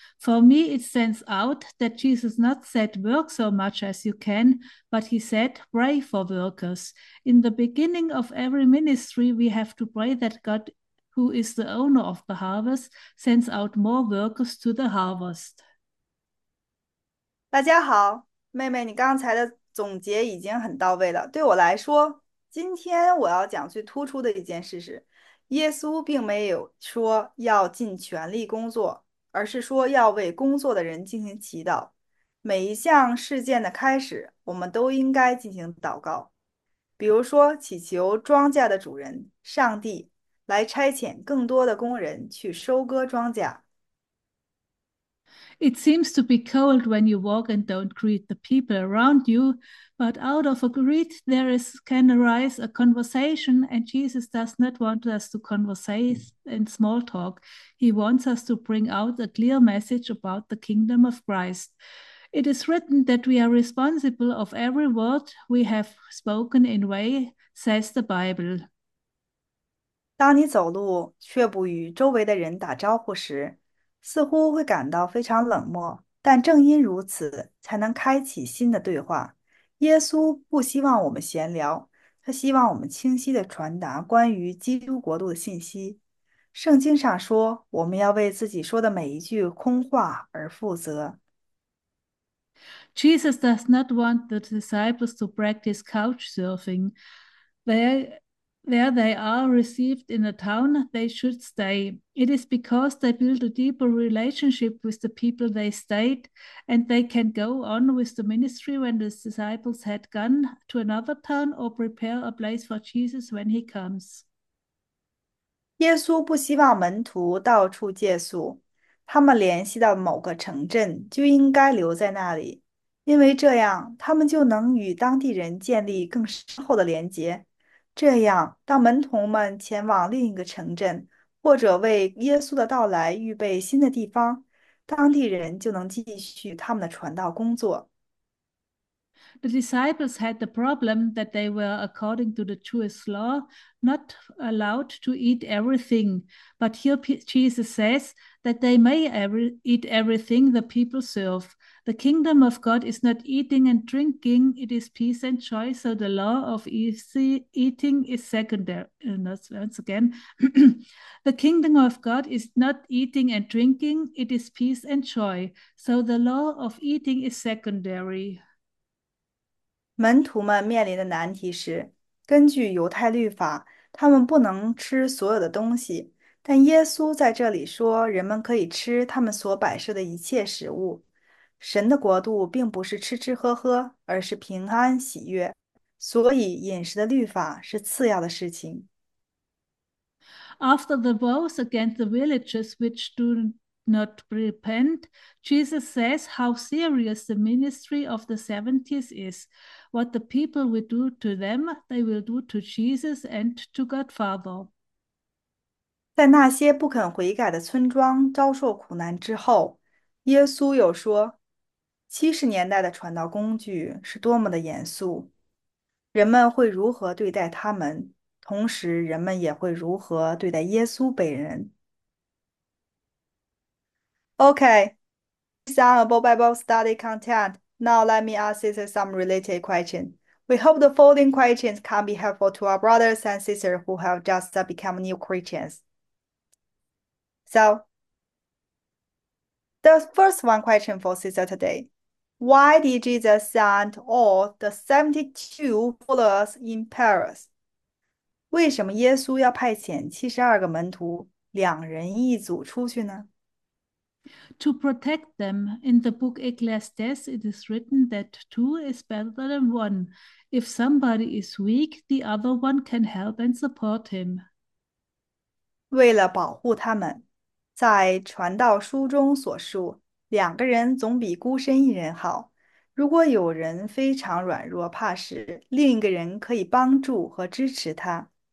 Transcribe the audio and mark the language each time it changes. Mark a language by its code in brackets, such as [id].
[en] For me, it stands out that Jesus not said work so much as you can, but he said pray for workers. In the beginning of every ministry, we have to pray that God, who is the owner of the harvest, sends out more workers to the harvest. [zh] 大家好，妹妹，你刚才的总结已经很到位了。对我来说，今天我要讲最突出的一件事是，耶稣并没有说要尽全力工作，而是说要为工作的人进行祈祷。每一项事件的开始，我们都应该进行祷告，比如说祈求庄稼的主人上帝来差遣更多的工人去收割庄稼。 [en] It seems to be cold when you walk and don't greet the people around you, but out of a greet there is can arise a conversation, and Jesus does not want us to converse in small talk. He wants us to bring out a clear message about the kingdom of Christ. It is written that we are responsible of every word we have spoken in way, says the Bible. [zh] 当你走路却不与周围的人打招呼时，似乎会感到非常冷漠，但正因如此，才能开启新的对话。耶稣不希望我们闲聊，他希望我们清晰地传达关于基督国度的信息。圣经上说，我们要为自己说的每一句空话而负责。 [en] Jesus does not want the disciples to practice couch surfing. There they are received in a town they should stay. It is because they build a deeper relationship with the people they stayed, and they can go on with the ministry when the disciples had gone to another town or prepare a place for Jesus when he comes. [zh] 耶稣不希望门徒到处借宿，他们联系到某个城镇就应该留在那里，因为这样他们就能与当地人建立更深厚的连结。这样，当门徒们前往另一个城镇，或者为耶稣的到来预备新的地方，当地人就能继续他们的传道工作。 [en] The disciples had the problem that they were, according to the Jewish law, not allowed to eat everything. But here Jesus says that they may eat everything the people serve. The kingdom of God is not eating and drinking, it is peace and joy. So the law of easy eating is secondary. And that's once again, the kingdom of God is not eating and drinking, it is peace and joy. So the law of eating is secondary. [zh] 门徒们面临的难题是，根据犹太律法，他们不能吃所有的东西。但耶稣在这里说，人们可以吃他们所摆设的一切食物。神的国度并不是吃吃喝喝，而是平安喜悦。所以，饮食的律法是次要的事情。 [en] After the woes against the villages which do not repent, Jesus says how serious the ministry of the 70s is. What the people will do to them, they will do to Jesus and to Godfather. [zh] 在那些不肯悔改的村庄遭受苦难之后，耶稣又说：“70年代的传道工具是多么的严肃，人们会如何对待他们，同时人们也会如何对待耶稣本人。 [en] ”OK， [zh] 这是 [en] unavoidable study content. Now let me ask you some related question. We hope the following questions can be helpful to our brothers and sisters who have just become new Christians. So, the first one question for Sister today. Why did Jesus send all the 72 followers in pairs? [zh] 为什么耶稣要派遣72个门徒，两人一组出去呢？ [en] To protect them, in the book Ecclesiastes, it is written that two is better than one. If somebody is weak, the other one can help and support him. [zh] 为了保护他们。在传道书中所述，两个人总比孤身一人好。如果有人非常软弱怕事，另一个人可以帮助和支持他。